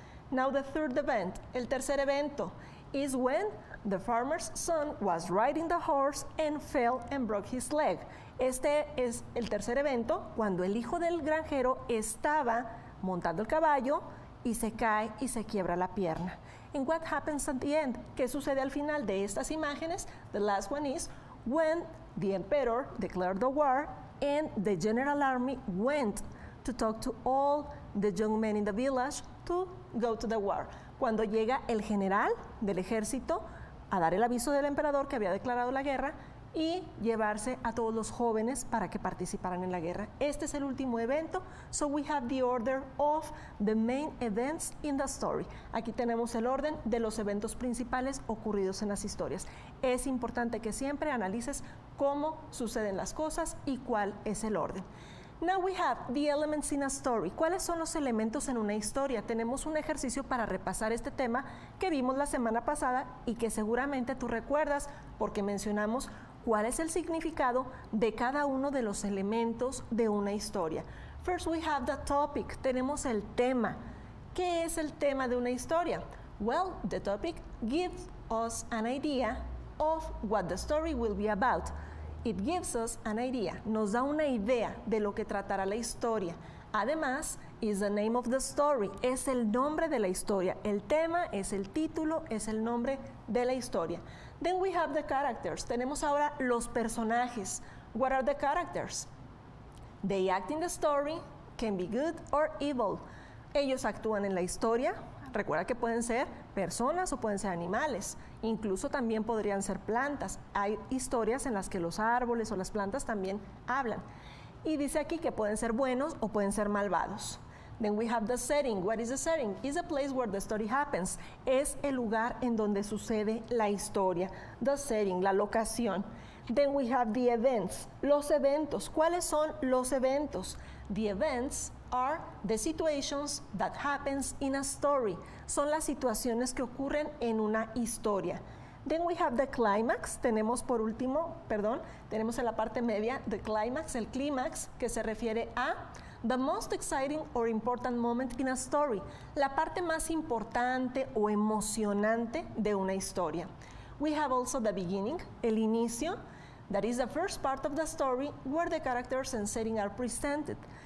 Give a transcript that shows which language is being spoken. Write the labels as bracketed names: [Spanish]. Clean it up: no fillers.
[English] Now the third event, [Spanish] el tercer evento, [English] is when the farmer's son was riding the horse and fell and broke his leg. [Spanish] Este es el tercer evento, cuando el hijo del granjero estaba montando el caballo y se cae y se quiebra la pierna. [English] And what happens at the end? [Spanish] ¿Qué sucede al final de estas imágenes? [English] The last one is when the emperor declared the war and the general army went to talk to all the young men in the village to go to the war. [Spanish] Cuando llega el general del ejército a dar el aviso del emperador que había declarado la guerra y llevarse a todos los jóvenes para que participaran en la guerra. Este es el último evento, [English] so we have the order of the main events in the story. [Spanish] Aquí tenemos el orden de los eventos principales ocurridos en las historias. Es importante que siempre analices cómo suceden las cosas y cuál es el orden. [English] Now we have the elements in a story. [Spanish] ¿Cuáles son los elementos en una historia? Tenemos un ejercicio para repasar este tema que vimos la semana pasada y que seguramente tú recuerdas porque mencionamos cuál es el significado de cada uno de los elementos de una historia. [English] First we have the topic. [Spanish] Tenemos el tema. ¿Qué es el tema de una historia? [English] Well, the topic gives us an idea of what the story will be about. It gives us an idea. [Spanish] Nos da una idea de lo que tratará la historia. Además, [English] is the name of the story. [Spanish] Es el nombre de la historia. El tema es el título, es el nombre de la historia. [English] Then we have the characters. [Spanish] Tenemos ahora los personajes. [English] What are the characters? They act in the story, can be good or evil. [Spanish] Ellos actúan en la historia. Recuerda que pueden ser personas o pueden ser animales. Incluso también podrían ser plantas. Hay historias en las que los árboles o las plantas también hablan. Y dice aquí que pueden ser buenos o pueden ser malvados. [English] Then we have the setting. What is the setting? It's the place where the story happens. [Spanish] Es el lugar en donde sucede la historia. [English] The setting, [Spanish] la locación. [English] Then we have the events. [Spanish] Los eventos. ¿Cuáles son los eventos? [English] The events are the situations that happens in a story. [Spanish] Son las situaciones que ocurren en una historia. [English] Then we have the climax. [Spanish] Tenemos por último, perdón, tenemos en la parte media, [English] the climax, [Spanish] el clímax, que se refiere a [English] the most exciting or important moment in a story. [Spanish] La parte más importante o emocionante de una historia. [English] We have also the beginning, [Spanish] el inicio. [English] That is the first part of the story where the characters and setting are presented.